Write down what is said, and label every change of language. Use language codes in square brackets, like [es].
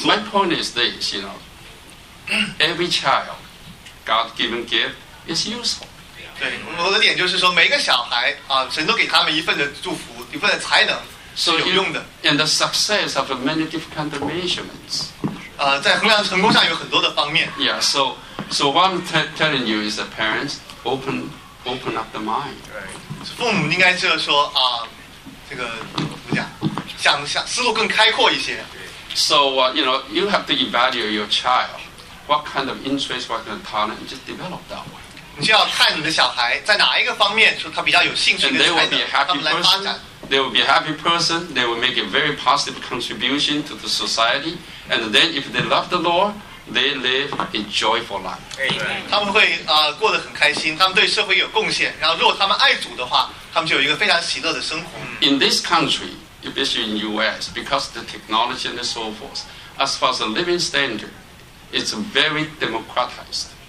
[en] So my point is this, you know, every child, God given gift is useful. [zh] 对，我的点就是说，每一个小孩神都给他们一份的祝福，一份的才能。 [en] So, you, [zh] 是有用的 [en] and the success of many different kind of measurements. [zh] 在衡量成功上有很多的方面。 [en] Yeah, so what I'm telling you is that parents open up the mind. Right. [zh] 父母应该就是说这个怎么讲，想思路更开阔一些。 [en] So, you know, you have to evaluate your child. What kind of interest, what kind of talent, just develop that way. [zh] 你就要看你的小孩在哪一个方面说他比较有兴趣跟才能，他们来发展。 [en] They will be a happy person. They will make a very positive contribution to the society. And then, if they love the Lord, they live a joyful life. [zh] 他们会过得很开心，他们对社会有贡献。然后，如果他们爱主的话，他们就有一个非常喜乐的生活。 [en] In this country, especially in U.S., because the technology and so forth, as far as the living standard, it's very democratized.